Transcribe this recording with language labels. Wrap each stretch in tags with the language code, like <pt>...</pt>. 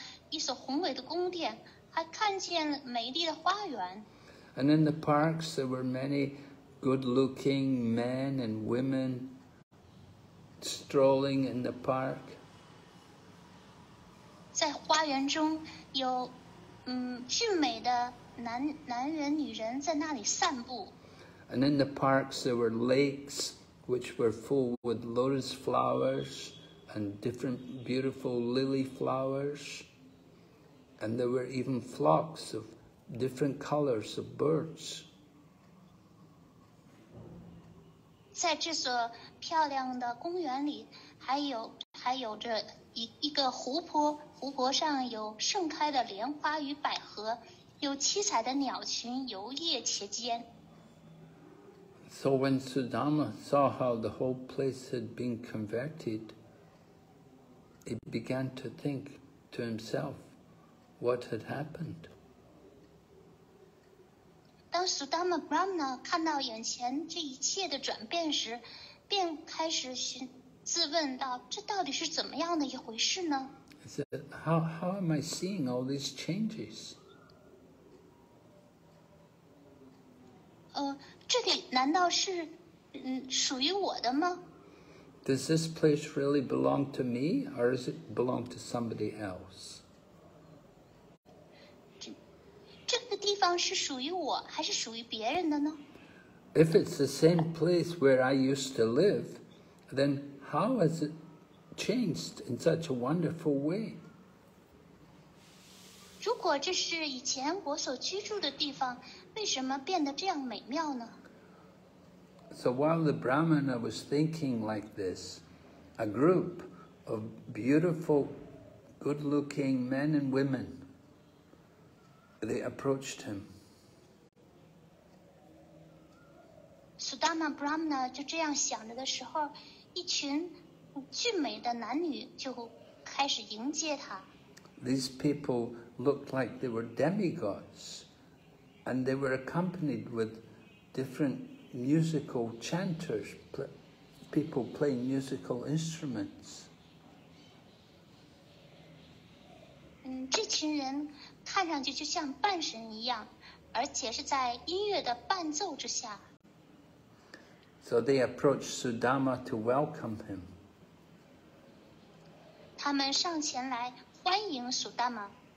<zh>一所宏伟的宫殿，还看见了美丽的花园。</zh> <en>And in the parks there were many good-looking men and women strolling in the park.</en> <zh>在花园中有俊美的男人女人在那里散步。</zh> <en>And in the parks there were lakes which were full with lotus flowers and different beautiful lily flowers, and there were even flocks of different colors of birds.</en> <zh>在这所漂亮的公园里，还有着一个湖泊，湖泊上有盛开的莲花与百合，有七彩的鸟群游曳其间。</zh> <en>So when Sudama saw how the whole place had been converted, he began to think to himself what had happened.</en> <zh>当 Sudama Brahmana 看到眼前这一切的转变时，便开始自问到这到底是怎么样的一回事呢？</zh> <en>He said, how am I seeing all these changes?</en> <zh>这里难道是属于我的吗？</zh> <en>Does this place really belong to me, or does it belong to somebody else?</en> <zh>这个地方是属于我还是属于别人的呢？</zh> <en>If it's the same place where I used to live, then how has it changed in such a wonderful way?</en> <zh>如果这是以前我所居住的地方，为什么变得这样美妙呢？</zh> <en>So while the Brahmana was thinking like this, a group of beautiful, good-looking men and women, they approached him.</en> <zh>Sudama Brahmana 就这样想着的时候，一群俊美的男女就开始迎接他。</zh> <en>These people looked like they were demigods. And they were accompanied with different musical chanters, people playing musical instruments.</en> <zh>这群人看上去就像半神一样，而且是在音乐的伴奏之下。</zh> <en>So they approached Sudama to welcome him.</en> <zh>他们上前来欢迎 Sudama.</zh>